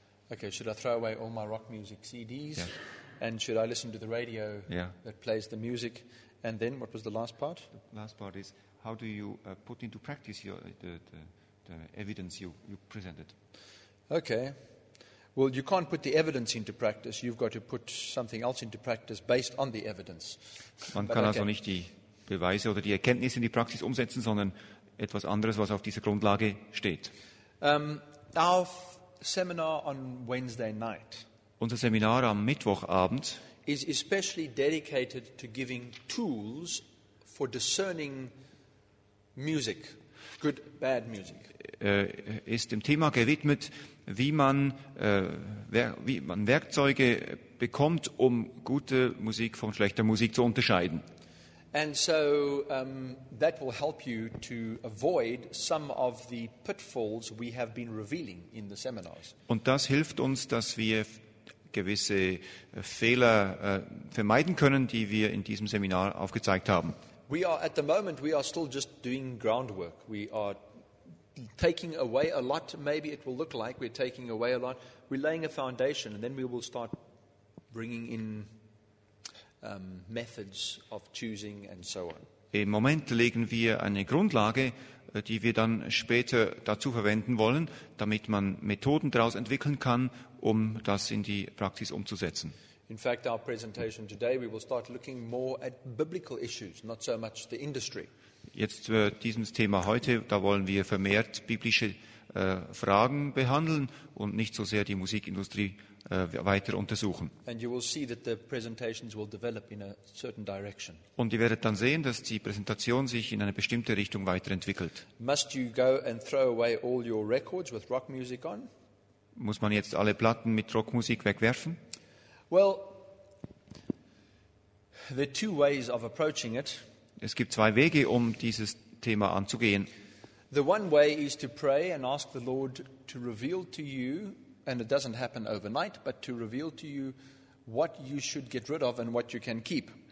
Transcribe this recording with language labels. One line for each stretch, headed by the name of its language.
English: Okay, should I throw away all my rock music CDs? Yeah. And should I listen to the radio yeah. that plays the music? And then, what was the last part? The last part is, how do you put into practice the evidence you presented? Okay. Well, you can't put the evidence into practice. You've got to put something else into practice based on the evidence.
German: Man kann also nicht die Beweise oder die Erkenntnisse in die Praxis umsetzen, sondern etwas anderes, was auf dieser Grundlage steht.
English: Our seminar on Wednesday night.
German: Unser Seminar am Mittwochabend
English: is especially dedicated to giving tools for discerning music, good, bad music.
German: Ist dem Thema gewidmet, wie man Werkzeuge bekommt, um gute Musik von schlechter Musik zu unterscheiden.
English: And so that will help you to avoid some of the pitfalls we have been revealing in the seminars.
German: Und das hilft uns, dass wir gewisse Fehler vermeiden können, die wir in diesem Seminar aufgezeigt haben.
English: We are at the moment we are still just doing groundwork. We are taking away a lot. Maybe it will look like we're taking away a lot. We're laying a foundation and then we will start bringing in methods of choosing and so on.
German: Im Moment legen wir eine Grundlage, die wir dann später dazu verwenden wollen, damit man Methoden daraus entwickeln kann, um das in die Praxis umzusetzen.
English: In fact, our presentation today, we will start looking more at biblical issues, not so much the industry.
German: Jetzt dieses Thema heute, da wollen wir vermehrt biblische Fragen behandeln und nicht so sehr die Musikindustrie weiter untersuchen.
English: And you will see that the presentations will develop in a certain direction.
German: Und ihr werdet dann sehen, dass die Präsentation sich in eine bestimmte Richtung weiterentwickelt.
English: Must you go and throw away all your records with rock music on?
German: Muss man jetzt alle Platten mit Rockmusik wegwerfen?
English: Well, there are two ways of approaching it.
German: Es gibt zwei Wege, um dieses Thema anzugehen.
English: The one way is to pray and ask the Lord to reveal to you, and it doesn't happen overnight, but to reveal to you what you should get rid of and what you can keep.